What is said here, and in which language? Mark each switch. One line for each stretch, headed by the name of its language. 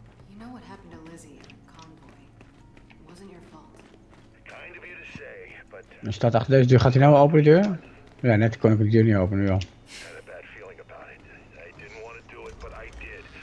English: You know what happened to Lizzie in the convoy? It wasn't your fault. Kind of you to say, but...
Dutch: Er staat achter deze deur. Gaat hij nou open de deur? Ja, net kon ik de deur niet openen, nu al.
English: I had a bad feeling about it. I didn't want to do it, but I did.